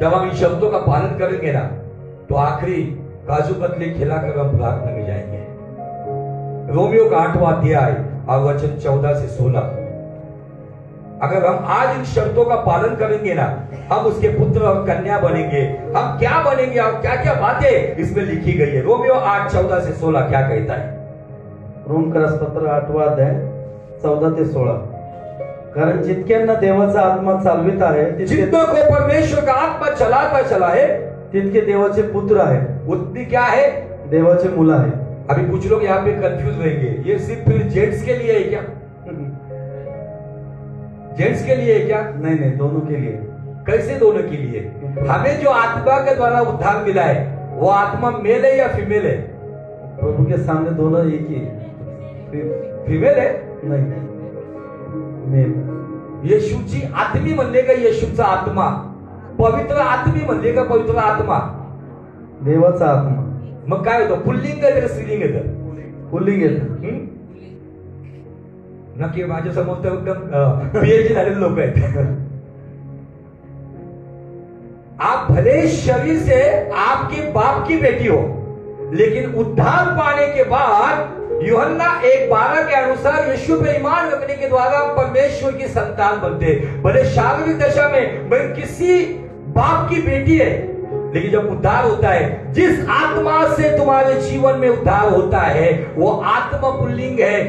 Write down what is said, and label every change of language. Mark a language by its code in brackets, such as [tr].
[hi] जब हम इन शब्दों का पालन करेंगे ना, तो आखिरी काजू कतली खिलाकर हम प्रार्थना में जाएंगे। रोमियो का 8वां अध्याय और वचन 14-16, अगर हम आज इन शब्दों का पालन करेंगे ना, हम उसके पुत्र और कन्या बनेंगे। हम क्या बनेंगे और क्या क्या बातें इसमें लिखी गई है? रोमियो 8:14-16 क्या कहता है? [mr] रोम करस पत्र 8वां अध्याय 14-16, कारण जितक्यांना देवाचा आत्मा चालवित आहे, [hi] जितको परमेश्वर का आत्मा चलाता चला है, [mr] तितके देवाचे पुत्र आहे, [hi] उतनी क्या है? [mr] देवाचे मूल आहे। [hi] अभी कुछ लोग यहाँ पे कंफ्यूज रहेंगे, ये सिर्फ जेंट्स के लिए है क्या? जेंट्स के लिए है क्या? नहीं नहीं, दोनों के लिए। कैसे दोनों के लिए? हमें जो आत्मा के द्वारा उद्धार मिला है, वो आत्मा मेल है या फीमेल है? प्रभु के सामने दोनों एक ही। फीमेल है? नहीं, मेल। [mr] येशूची आत्मी म्हणले का येशूचा आत्मा, पवित्र आत्मी म्हणले का पवित्र आत्मा, देवाचा आत्मा, मग काय होतं, पुल्लिंग येतं स्त्रीलिंग येतं, पुल्लिंग येतं नक्की. माझ्या समोर तर एकदम पीएचडी झालेले लोक आहेत. [hi] आप भले शरीर से आपके बाप की बेटी हो, लेकिन उद्धार पाने के बाद योहन्ना 1:12 के अनुसार यीशु पे ईमान रखने के द्वारा परमेश्वर की संतान बनते. भले शारीरिक दशा में भले किसी बाप की बेटी है, लेकिन जब उद्धार होता है, जिस आत्मा से तुम्हारे जीवन में उद्धार होता है वो आत्मा पुल्लिंग है.